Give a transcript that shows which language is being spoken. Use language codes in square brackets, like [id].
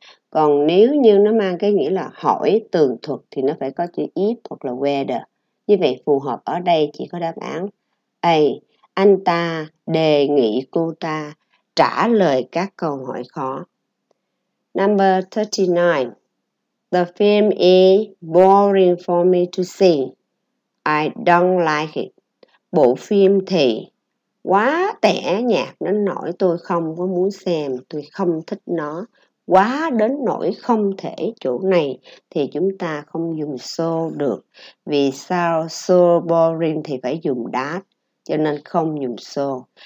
[vi] Còn nếu như nó mang cái nghĩa là hỏi tường thuật thì nó phải có chữ if hoặc là whether. Như vậy phù hợp ở đây chỉ có đáp án A. Anh ta đề nghị cô ta trả lời các câu hỏi khó. [en] Number 39. The film is boring for me to see. I don't like it. [vi] Bộ phim thì quá tẻ nhạt đến nỗi tôi không có muốn xem, tôi không thích nó. Quá đến nỗi không thể, chỗ này thì chúng ta không dùng so được. Vì sao so boring thì phải dùng that, cho nên không dùng so.